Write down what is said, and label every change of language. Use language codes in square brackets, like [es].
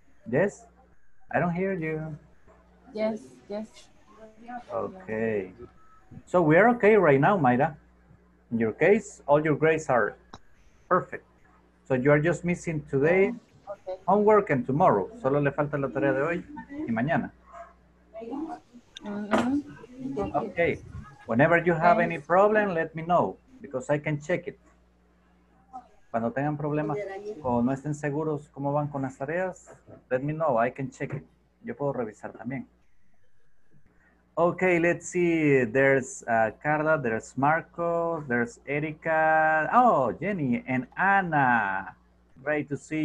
[en] Yes? I don't hear you. Yes, yes. Okay. So we are okay right now, Mayra. In your case, all your grades are perfect. So you are just missing today, okay. Homework and tomorrow. [es] Solo le falta la tarea de hoy y mañana. Mm-hmm. [en] Okay, whenever you have any problem, let me know, because I can check it. [es] Cuando tengan problemas o no estén seguros cómo van con las tareas, [en] let me know, I can check it. [es] Yo puedo revisar también. [en] Okay, let's see, there's Carla, there's Marco, there's Erika, oh, Jenny, and Anna. Great to see